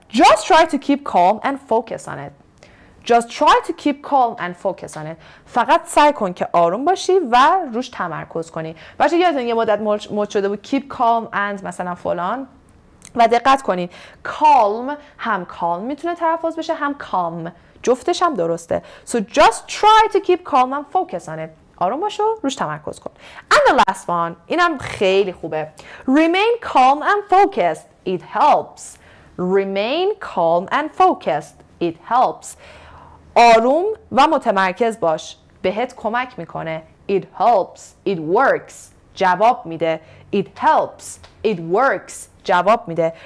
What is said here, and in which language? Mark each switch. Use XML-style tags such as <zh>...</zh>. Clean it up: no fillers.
<en>Just try to keep calm and focus on it. Just try to keep calm and focus on it.</en> <fa>فقط سعی کن که آروم باشی و روش تمرکز کنی. بچه یادتون یه مدت مود شده بود</fa> <en>keep calm and</en> <fa>مثلا فلان، و دقت کنین calm هم calm میتونه تلفظ بشه هم calm، جفتش هم درسته.</fa> <en>So just try to keep calm and focus on it.</en> <fa>آروم باش و روش تمرکز کن.</fa> <en>And the last one،</en> <fa>اینم خیلی خوبه.</fa> <en>Remain calm and focused. It helps. Remain calm and focused. It helps.</en> <fa>آروم و متمرکز باش بهت کمک میکنه.</fa> <en>It helps. It works.</en> <fa>جواب میده.</fa> <en>It helps. It works. جواب میده.</en>